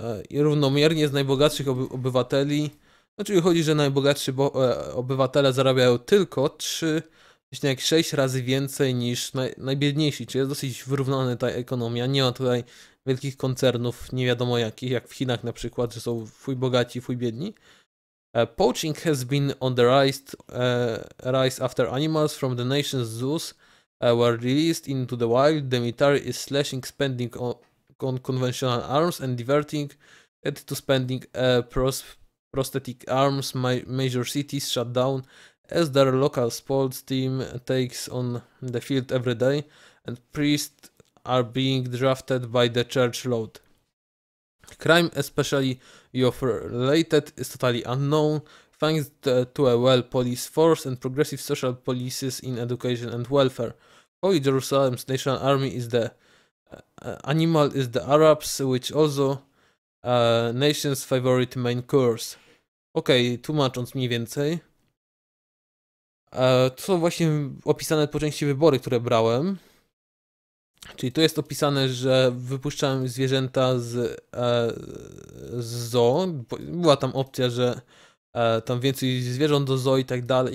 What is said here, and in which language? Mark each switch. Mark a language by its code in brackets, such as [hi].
[pl] I równomiernie z najbogatszych obywateli. Czyli chodzi, że najbogatsi obywatele zarabiają tylko 3,6 razy więcej niż najbiedniejsi, czyli jest dosyć wyrównana ta ekonomia. Nie ma tutaj wielkich koncernów, nie wiadomo jakich, jak w Chinach na przykład, że są fuj bogaci, fuj biedni. [en] Poaching has been on the rise after animals from the nation's zoos were released into the wild. The military is slashing spending on conventional arms and diverting it to spending prosthetic arms, major cities shut down as their local sports team takes on the field every day, and priests are being drafted by the church lord. Crime, especially youth related, is totally unknown, thanks to a well-policed force and progressive social policies in education and welfare. Holy Jerusalem's National Army is the animal is the Arabs, which also nation's favorite main course. [pl] Okej, tłumacząc mniej więcej. To są właśnie opisane po części wybory, które brałem. Czyli tu jest opisane, że wypuszczałem zwierzęta z zoo. Była tam opcja, że tam więcej zwierząt do zoo i tak dalej.